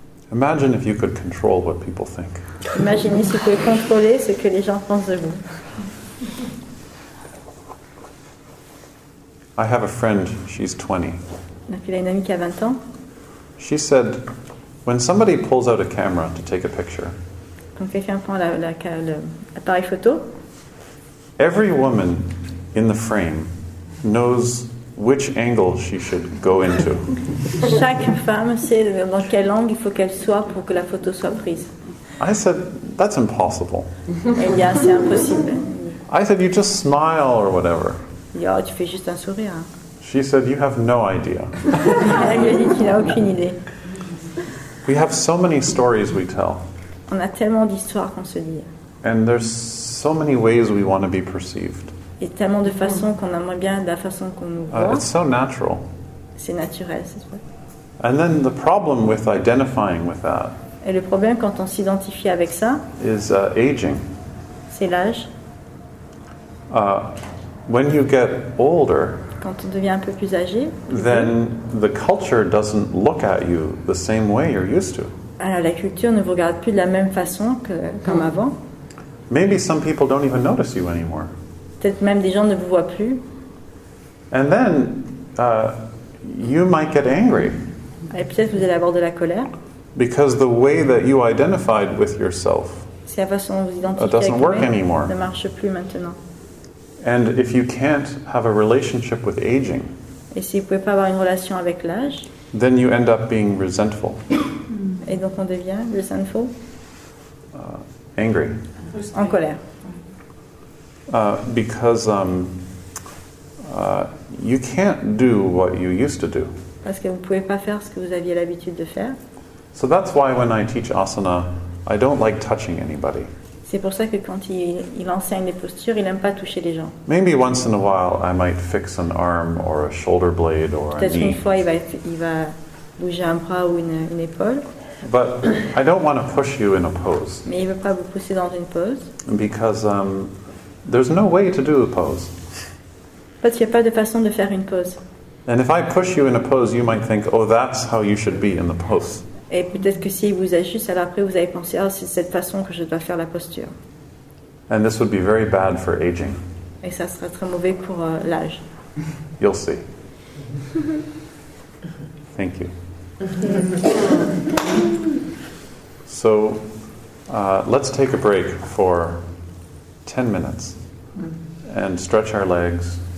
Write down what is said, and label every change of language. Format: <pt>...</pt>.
<en>Imagine if you could control what people think.</en> <fr>Imaginez si vous pouvez contrôler ce que les gens pensent de vous.</fr> <en>I have a friend, she's 20.</en> <fr>Donc il a une amie qui a 20 ans.</fr> <en>She said, when somebody pulls out a camera to take a picture.</en> <fr>Quand quelqu'un prend l'appareil photo.</fr> <en>Every woman in the frame knows which angle she should go into.</en> <fr>Chaque femme sait dans quel angle il faut qu'elle soit pour que la photo soit prise.</fr> <en>I said, that's impossible.</en> <fr>Et bien, c'est impossible.</fr> <en>I said, you just smile or whatever.</en> <fr>Yeah, tu fais juste un sourire.</fr> <en>She said, you have no idea.</en> <fr>Elle lui a dit, tu n'as aucune idée.</fr> <en>We have so many stories we tell.</en> <fr>On a tellement d'histoires qu'on se dit.</fr> <en>And there's so many ways we want to be perceived.</en> <fr>Et tellement de façons qu'on aimerait bien de la façon qu'on nous voit.</fr> <en>It's so natural.</en> <fr>C'est naturel, c'est vrai.</fr> <en>And then the problem with identifying with that.</en> <fr>Et le problème quand on s'identifie avec ça.</fr> <en>Is aging.</en> <fr>C'est l'âge.</fr> <en>When you get older.</en> <fr>Quand on devient un peu plus âgé.</fr> <en>Then the culture doesn't look at you the same way you're used to.</en> <fr>Alors la culture ne vous regarde plus de la même façon que comme avant.</fr> <en>Maybe some people don't even notice you anymore.</en> <fr>Peut-être même des gens ne vous voient plus.</fr> <en>And then, you might get angry.</en> <fr>Et peut-être vous allez avoir de la colère.</fr> <en>Because the way that you identified with yourself,</en> <fr>c'est la façon dont vous identifiez</fr> <en>doesn't work anymore.</en> <fr>Ne marche plus maintenant.</fr> <en>And if you can't have a relationship with aging,</en> <fr>et si vous pouvez pas avoir une relation avec l'âge,</fr> <en>then you end up being resentful.</en> <fr>Et donc on devient resentful.</fr> <en>Angry.</en> <fr>En colère.</fr> <en>Because you can't do what you used to do.</en> <fr>Parce que vous pouvez pas faire ce que vous aviez l'habitude de faire.</fr> <en>So that's why when I teach asana, I don't like touching anybody.</en> <fr>C'est pour ça que quand il enseigne les postures, il aime pas toucher les gens.</fr> <en>Maybe once in a while, I might fix an arm or a shoulder blade or</en> <fr>peut-être</fr> <en>a knee.</en> <fr>Peut-être une fois, il va bouger un bras ou une épaule.</fr> <en>But I don't want to push you in a pose.</en> <fr>Mais il veut pas vous pousser dans une pose.</fr> <en>Because there's no way to do a pose.</en> <fr>Parce qu'il y a pas de façon de faire une pose.</fr> <en>And if I push you in a pose, you might think, oh, that's how you should be in the pose.</en> <fr>Et peut-être que si il vous ajuste, alors après vous allez penser, oh, c'est cette façon que je dois faire la posture.</fr> <en>And this would be very bad for aging.</en> <fr>Et ça sera très mauvais pour l'âge.</fr> <en>You'll see. Thank you. So, let's take a break for 10 minutes and stretch our legs.</en>